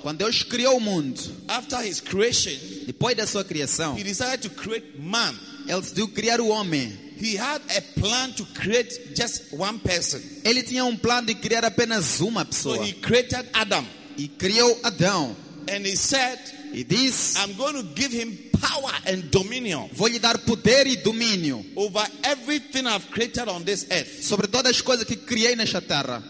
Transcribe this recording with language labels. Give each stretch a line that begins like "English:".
Portuguese: quando Deus criou o mundo,
English: after his creation,
Portuguese: depois da sua criação,
English: he decided to create man.
Portuguese: Ele decidiu criar o homem.
English: He had a plan to create just one person.
Portuguese: Ele tinha plano de criar apenas uma pessoa.
English: So he created Adam.
Portuguese: E criou Adão.
English: And he said,
Portuguese: e diz,
English: I'm going to give him power and dominion.
Portuguese: Vou lhe dar poder e domínio.
English: Over everything I've created on this earth.
Portuguese: Sobre todas as coisas que criei nesta terra.